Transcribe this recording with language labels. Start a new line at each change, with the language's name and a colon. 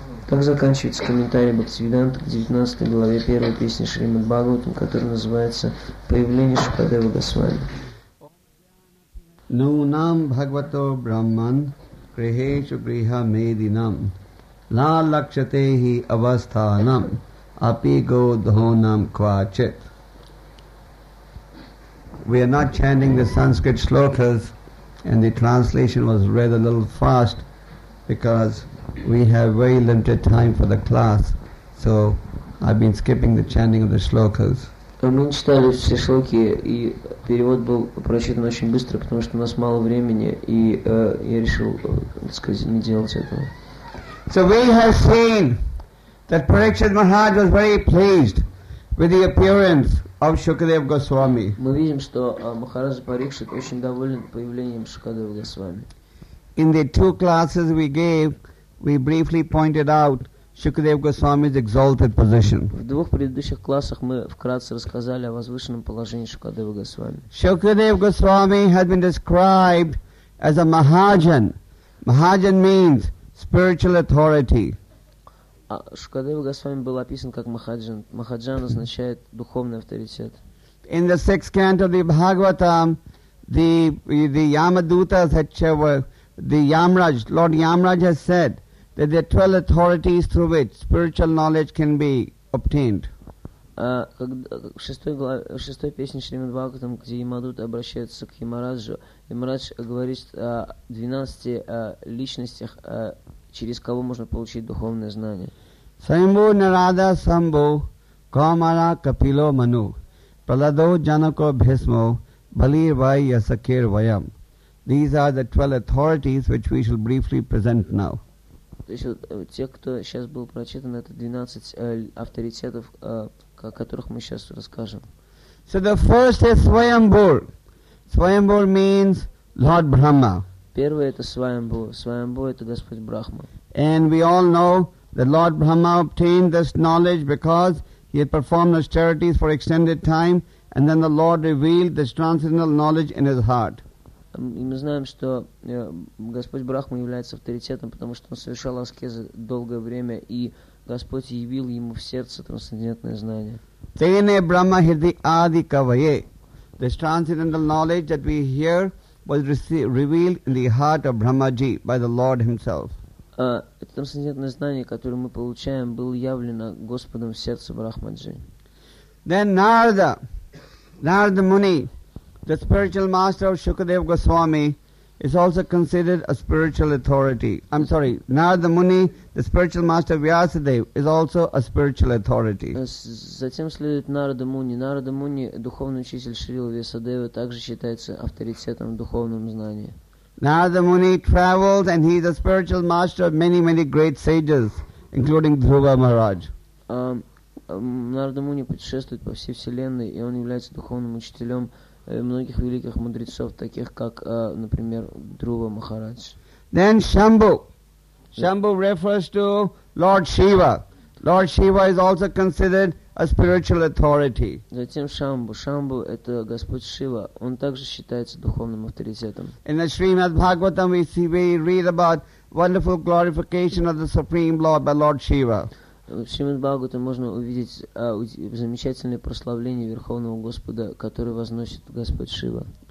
Russian: Так заканчивается комментарий Бхактивиданта к 19 главе первой песни Шримад Бхагаватам, которая называется «Появление Шукадевы Госвами».
Sanskrit: Ну нам Бхагавато Брахман Грихешу Гриха Мединам Ла Лакшатехи Авастханам Апи Годхонам Квачет.
English: We are not chanting the Sanskrit slokas, and the translation was read a little fast because we have very limited time for the class. So I've been skipping the chanting of the slokas.
Russian: Мы читали все шлоки, и перевод был прочитан очень быстро, потому что у нас мало времени, и я решил, так сказать, не делать этого.
English: So we have seen that Parikshit Maharaj was very pleased with the appearance of Shukadev Goswami.
Russian: Мы видим, что Махарадж Парикшит очень доволен появлением Шукадева Госвами.
English: In the two classes we gave, we briefly pointed out Shukadev Goswami's exalted position.
Russian: В двух предыдущих классах мы вкратце рассказали о возвышенном положении Шукадева Госвами.
English: Shukadev Goswami has been described as a Mahajan. Mahajan means spiritual authority.
Russian: Шукадева Госвами был описан как Махаджан. Махаджан означает духовный авторитет.
English: In the sixth canto of the Bhagavatam, the Yamadutas had shown the Yamraj, Lord Yamraj has said that there are 12 authorities through which spiritual knowledge can be obtained.
Russian: В шестой песне Шримад Бхагаватам, где Ямадута обращается к Ямараджу, Ямарадж говорит о 12 личностях, через кого можно получить духовное знание.
Sanskrit: Самбу Нарада Самбу Камара Капило Ману Праладо Джанако Бхисмо Балир Вай Ясакир Вайам.
English: These are the 12 authorities which we shall briefly present now.
Russian: То есть те, кто сейчас был прочитан, это 12 авторитетов, о которых мы сейчас расскажем.
English: So the first is Svayambhur. Svayambhur means Lord Brahma.
Russian: Первое это Свайамбу. Свайамбу это Господь Брахма.
English: And we all know that Lord Brahma obtained this knowledge because he had performed austerities for extended time, and then the Lord revealed this transcendental knowledge in his heart.
Russian: И мы знаем, что Господь Брахма является авторитетом, потому что он совершал аскезы долгое время, и Господь явил ему в сердце трансцендентное знание.
Sanskrit: Тене Брахма хиди ади кавае.
English: This transcendental knowledge that we hear was revealed in the heart of Brahmaji by the Lord Himself.
Russian: Это трансцендентное знание, которое мы получаем, было явлено Господом в сердце Брахмаджи.
English: Then Narada, Narada Muni, the spiritual master of Shukadev Goswami, is also considered a spiritual authority. I'm sorry, Narada Muni, the spiritual master of Vyasadev, is also a spiritual authority.
Russian: Затем следует Narada Muni. Narada Muni, духовный учитель Шрилы Вьясадевы, также считается авторитетом в духовном знании.
English: Narada Muni travels and he is a spiritual master of many, many great sages, including Dhruva Maharaj.
Russian: Narada Muni путешествует по всей вселенной, и он является духовным учителем многих великих мудрецов, таких как, например, Друва Махарадж.
English: Then Shambhu. Shambhu refers to Lord Shiva. Lord Shiva is also considered a spiritual authority.
Russian: Затем Shambhu. Shambhu – это Господь Шива. Он также считается духовным авторитетом.
English: In the Srimad Bhagavatam we read about wonderful glorification of the Supreme Lord by Lord Shiva.
Russian: В Шримад Бхагавате можно увидеть замечательное прославление Верховного Господа, которое возносит Господь Шива.